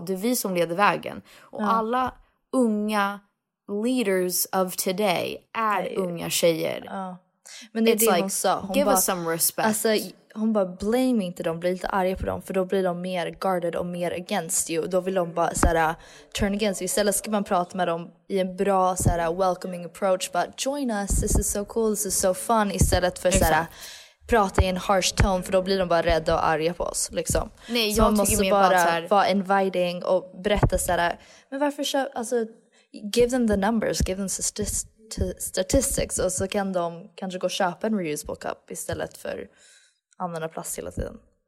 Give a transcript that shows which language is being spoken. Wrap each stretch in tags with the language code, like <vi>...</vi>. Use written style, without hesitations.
<sv>Det är vi som leder vägen. Och alla unga</sv> <en>leaders of today</en> <sv>är unga tjejer. Men det är det hon sa. Hon</sv> <en>give us some respect.</en> <sv>Alltså, hon bara, blame inte dem, blir lite arga på dem. För då blir de mer guarded och mer against you. Då vill de bara såhär,</sv> <en>turn against you.</en> <sv>Istället ska man prata med dem i en bra såhär,</sv> <en>welcoming approach. But join us, this is so cool, this is so fun.</en> <sv>Istället för såhär, prata i en</sv> <en>harsh tone.</en> <sv>För då blir de bara rädda och arga på oss. Liksom. Nej, jag tycker måste bara såhär vara inviting och berätta såhär, men varför köp, alltså,</sv> <en>give them the numbers, give them statistics.</en> <sv>Och så kan de kanske gå och köpa en reusable cup istället för använda plast hela tiden.</sv>